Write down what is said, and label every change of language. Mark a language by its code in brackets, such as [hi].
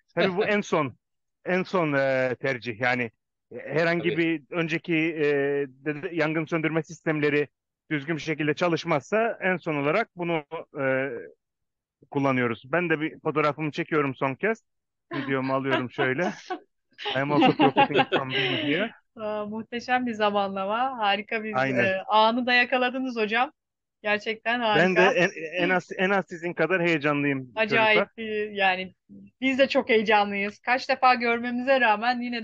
[tr] Tabii bu en son tercih. Yani herhangi Tabii. bir önceki yangın söndürme sistemleri düzgün bir şekilde çalışmazsa en son olarak bunu kullanıyoruz. Ben de bir fotoğrafımı çekiyorum son kez. Videomu alıyorum şöyle. [en] I am also profiting from being here. [tr] Muhteşem bir zamanlama. Harika Aynen. bir anı da yakaladınız hocam. Gerçekten Ben de harika. en az sizin kadar heyecanlıyım çocuklar. Acayip bir, yani biz de çok heyecanlıyız. Kaç defa görmemize rağmen yine de